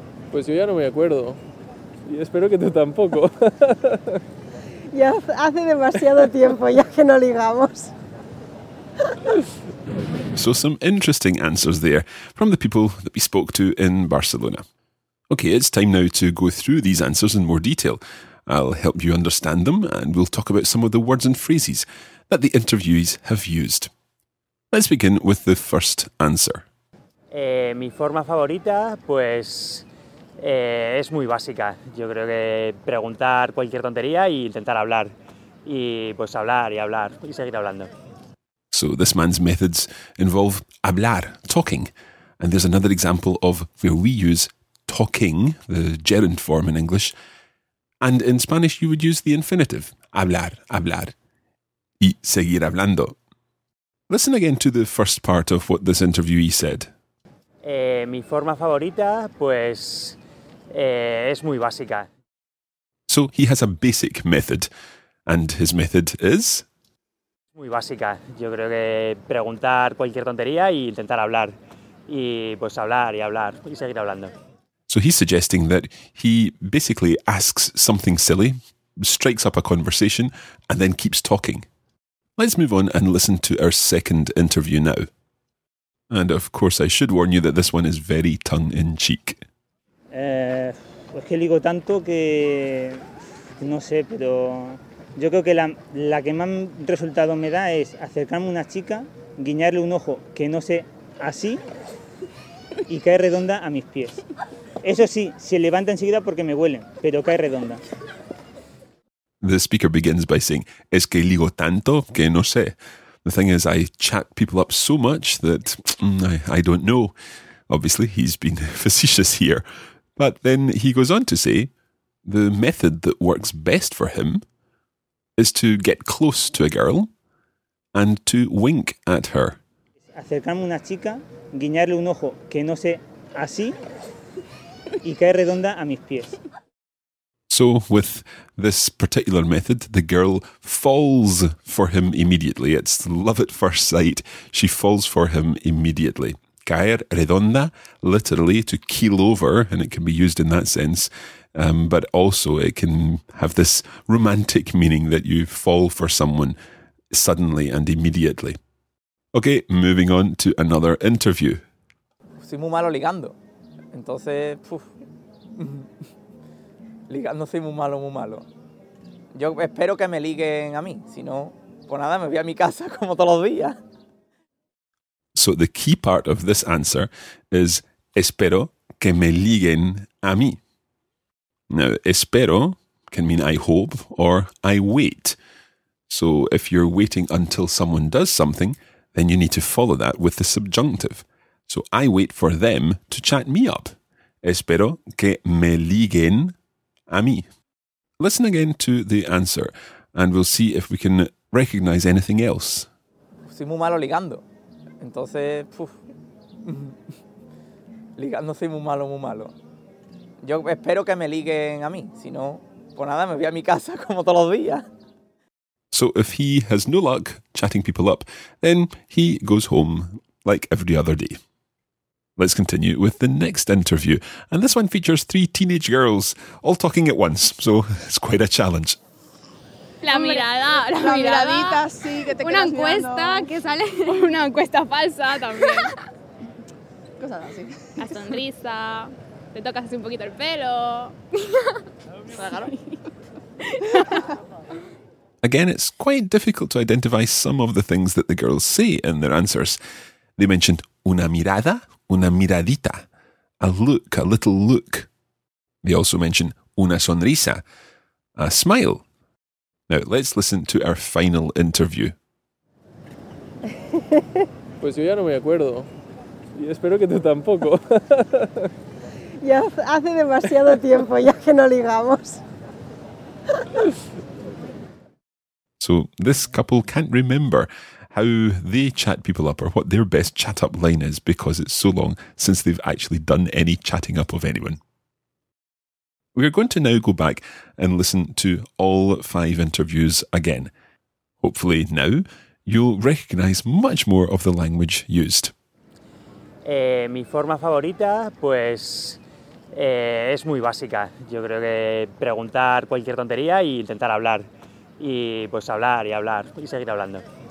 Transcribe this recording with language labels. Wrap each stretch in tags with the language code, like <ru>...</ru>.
<es>Pues yo ya no me acuerdo. Y espero que tú tampoco. Ya hace demasiado tiempo ya que no ligamos.</es> <en>So some interesting answers there from the people that we spoke to in Barcelona. Okay, it's time now to go through these answers in more detail. I'll help you understand them, and we'll talk about some of the words and phrases that the interviewees have used. Let's begin with the first answer.</en> <es>Mi forma favorita, pues, es muy básica. Yo creo que preguntar cualquier tontería y intentar hablar. Y pues hablar y hablar y seguir hablando.</es> <en>So this man's methods involve hablar, talking. And there's another example of where we use talking, the gerund form in English. And in Spanish, you would use the infinitive,</en> <es>hablar, hablar, y seguir hablando.</es> <en>Listen again to the first part of what this interviewee said.</en> <es>Mi forma favorita, pues, es muy básica.</es> <en>So he has a basic method, and his method is?</en> <es>Muy básica. Yo creo que preguntar cualquier tontería y intentar hablar. Y pues hablar y hablar y seguir hablando.</es> <en>So he's suggesting that he basically asks something silly, strikes up a conversation, and then keeps talking. Let's move on and listen to our second interview now. And of course, I should warn you that this one is very tongue-in-cheek.</en> <es>Es que digo tanto que no sé, pero yo creo que la que más resultado me da es acercarme a una chica, guiñarle un ojo que no sé así y cae redonda a mis pies. Eso sí, se levanta enseguida porque me huele, pero cae redonda.</es> <en>The speaker begins by saying,</en> <es>es que ligo tanto que no sé.</es> <en>The thing is, I chat people up so much that I don't know. Obviously, he's been facetious here. But then he goes on to say, the method that works best for him is to get close to a girl and to wink at her.</en> <es>Acercarme a una chica, guiñarle un ojo que no sé así y cae redonda a mis pies.</es> <en>So with this particular method, the girl falls for him immediately. It's love at first sight. She falls for him immediately.</en> <es>Caer redonda,</es> <en>literally to keel over, and it can be used in that sense. But also it can have this romantic meaning that you fall for someone suddenly and immediately. Okay, moving on to another interview.</en> <es>Soy muy malo ligando. Entonces, puf. Ligando soy muy malo, muy malo. Yo espero que me liguen a mí. Si no, pues nada, me voy a mi casa como todos los días.</es> <en>So the key part of this answer is</en> <es>espero que me liguen a mí.</es> <en>Now, espero can mean I hope or I wait. So if you're waiting until someone does something, then you need to follow that with the subjunctive. So I wait for them to chat me up.</en> <es>Espero que me liguen a mí.</es> <en>Listen again to the answer and we'll see if we can recognize anything else.</en> <es>Soy muy malo ligando. Entonces, puf. Ligando soy muy malo, muy malo. Yo espero que me liguen a mí. Si no, pues nada, me voy a mi casa como todos los días.</es> <en>So if he has no luck chatting people up, then he goes home like every other day. Let's continue with the next interview. And this one features three teenage girls all talking at once. So it's quite a challenge.</en> <es>La mirada, la miradita, sí, que te una encuesta mirando. Que sale. Una encuesta falsa también. Cosas así. La sonrisa. Te tocas así un poquito el pelo.</es> <en>Again, it's quite difficult to identify some of the things that the girls say in their answers. They mentioned</en> <es>una mirada. Una miradita,</es> <en>a look, a little look. They also mention</en> <es>una sonrisa,</es> <en>a smile. Now, let's listen to our final interview.</en> <es>Pues yo ya no me acuerdo. Y espero que tú tampoco. Ya hace demasiado tiempo ya que no ligamos.</es> <en>So, this couple can't remember how they chat people up or what their best chat-up line is because it's so long since they've actually done any chatting up of anyone. We're going to now go back and listen to all five interviews again. Hopefully now you'll recognise much more of the language used.</en> <es>Mi forma favorita, pues, es muy básica. Yo creo que preguntar cualquier tontería y intentar hablar. Y pues hablar y hablar y seguir hablando.</es>